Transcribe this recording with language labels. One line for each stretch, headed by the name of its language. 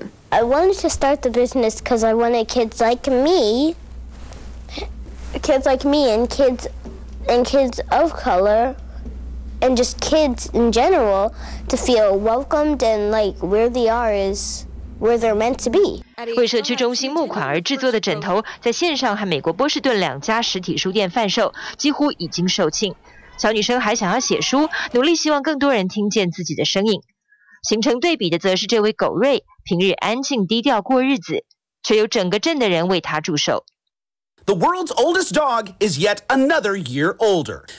English: I wanted to start the business because I wanted kids like me, and kids of color. And just kids in general to feel welcomed and like where they are is where they're meant to be.
Chinese: 为社区中心募款而制作的枕头，在线上和美国波士顿2家实体书店贩售，几乎已经售罄。小女生还想要写书，努力希望更多人听见自己的声音。形成对比的则是这位狗瑞，平日安静低调过日子，却有整个镇的人为他祝寿。
English: The world's oldest dog is yet another year older.